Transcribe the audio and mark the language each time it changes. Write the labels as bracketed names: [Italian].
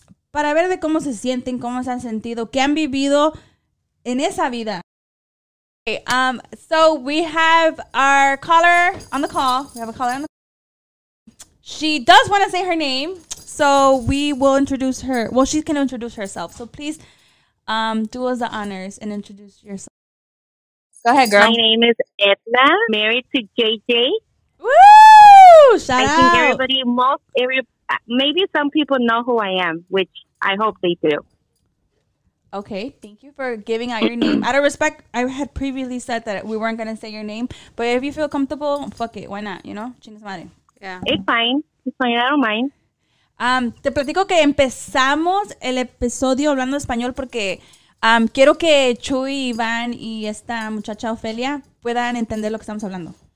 [Spanish] Para ver de cómo se sienten, cómo se han sentido, qué han vivido en esa vida. [English] Okay, so we have our caller on the call. We have a caller on the call. She does want to say her name, so we will introduce her. Well, she can introduce herself. So please do us the honors and introduce yourself. Go ahead, girl. My name is Edna, married to JJ. Woo! Shout out. I think everybody, maybe some people know who I am, which I hope they do. Okay, thank you for giving out your name. Out of respect, I had previously said that we weren't going to say your name, but if you feel comfortable, fuck it. Why not? You know? [Spanish] Chingas madre. [English] Yeah. It's fine, I don't mind. [Spanish] Te platico que empezamos el episodio hablando español porque quiero que Chuy, Iván y esta muchacha Ofelia puedan entender lo que estamos hablando.